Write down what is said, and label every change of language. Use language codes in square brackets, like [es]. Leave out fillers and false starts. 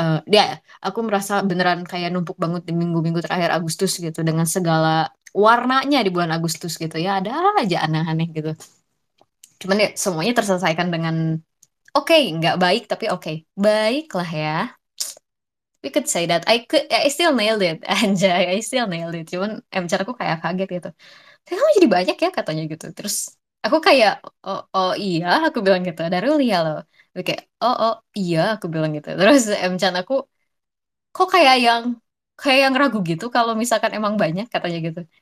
[id] Ya, aku merasa beneran kayak numpuk banget di minggu-minggu terakhir Agustus gitu, dengan segala warnanya di bulan Agustus gitu ya, ada aja aneh-aneh gitu. Cuman ya semuanya terselesaikan dengan okay, nggak baik tapi okay, baiklah ya. [en] We could say that I still nailed it, [id] anjay, [en] I still nailed it. [id] Cuman emcar aku kayak kaget gitu. Kamu jadi banyak ya katanya gitu. Terus aku kayak oh iya aku bilang gitu, Darul ya loh. Dia kayak oh iya aku bilang gitu. Terus M Chan aku kok kayak yang ragu gitu kalau misalkan emang banyak katanya gitu.